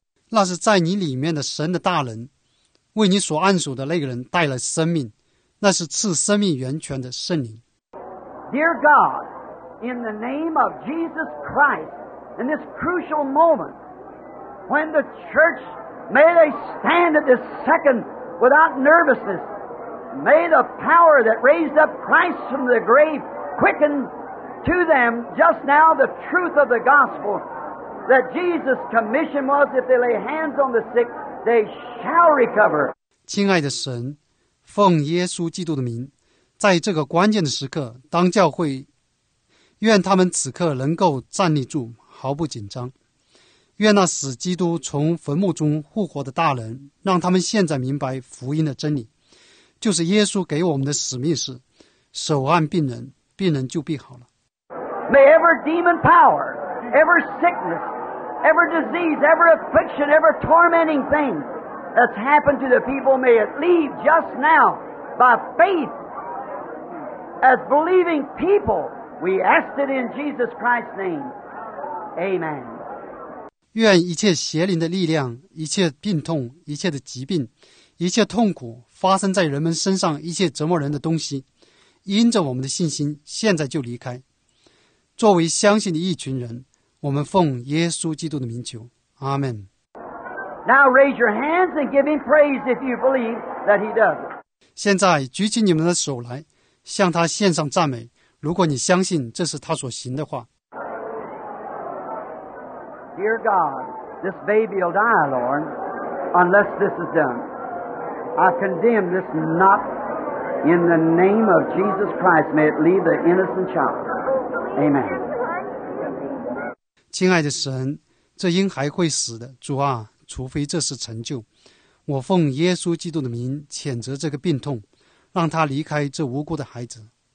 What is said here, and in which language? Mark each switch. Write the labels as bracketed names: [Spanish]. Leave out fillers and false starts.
[Chinese] 那是在你里面的神的大能，为你所按手的那个人带了生命，那是赐生命源泉的圣灵。 [English] Dear God, in the name of Jesus Christ, in this crucial moment, when the church... May they stand at this second without nervousness. May the power that raised up Christ from the grave quicken to them just now the truth of the gospel that Jesus' commission was if they lay hands on the sick, they shall recover. [Chinese] 亲爱的神，奉耶稣基督的名，在这个关键的时刻，当教会，愿他们此刻能够站立住，毫不紧张。愿那使基督从坟墓中复活的大能，让他们现在明白福音的真理，就是耶稣给我们的使命是手按病人，病人就必好了。 [English] May every demon power, every sickness, every disease, every affliction, every tormenting thing that's happened to the people, may it leave just now by faith. As believing people, we ask it in Jesus Christ's name. Amen. [Chinese] 愿一切邪灵的力量，一切病痛，一切的疾病，一切痛苦，发生在人们身上，一切折磨人的东西，因着我们的信心，现在就离开。作为相信的一群人，我们奉耶稣基督的名求， [English] Amen. Now raise your hands and give him praise if you believe that he does it. [Chinese] 现在举起你们的手来，向他献上赞美，如果你相信这是他所行的话。 [English] Dear God, this baby will die, Lord, unless this is done. I condemn this not in the name of Jesus Christ. May it leave the innocent child. Amen. [Chinese] 亲爱的神，这婴孩会死的，主啊，除非这是成就。我奉耶稣基督的名谴责这个病痛，让他离开这无辜的孩子。